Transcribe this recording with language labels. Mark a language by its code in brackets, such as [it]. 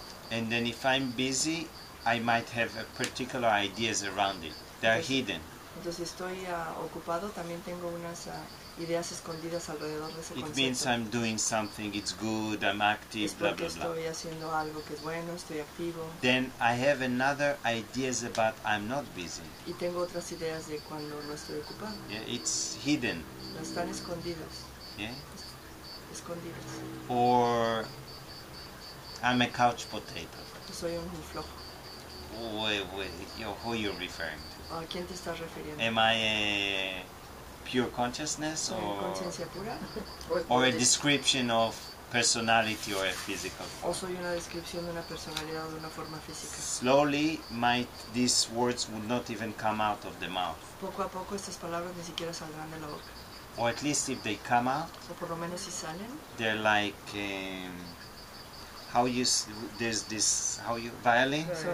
[en] And then if I'm busy, I might have a particular ideas around it. They are hidden. [es] Entonces estoy ocupado, también tengo unas ideas escondidas alrededor de ese concepto. [en] It means I'm doing something, it's good, I'm active, [es] es porque [en] blah, blah, blah. [es] Estoy haciendo algo que es bueno, estoy activo. [en] Then I have another ideas about I'm not busy. [es] Y tengo otras ideas de cuando no estoy ocupado. [en] Yeah, it's hidden. [es] Están escondidos. [en] Yeah? [es] Escondidos. [en] Or I'm a couch potato. [es] Soy un flojo. [en] Who are you referring to? [es] ¿A quién te estás refiriendo? [en] Am I a pure consciousness or [es] conciencia pura? [en] Or a description of personality or a physical? [es] O soy una descripción de una personalidad o de una forma física. [en] Slowly, these words would not even come out of the mouth. [es] Poco a poco estas palabras ni siquiera saldrán de la boca. [en] Or at least if they come out. [es] O por lo menos si salen. [en] They're like how you there's this how you violin?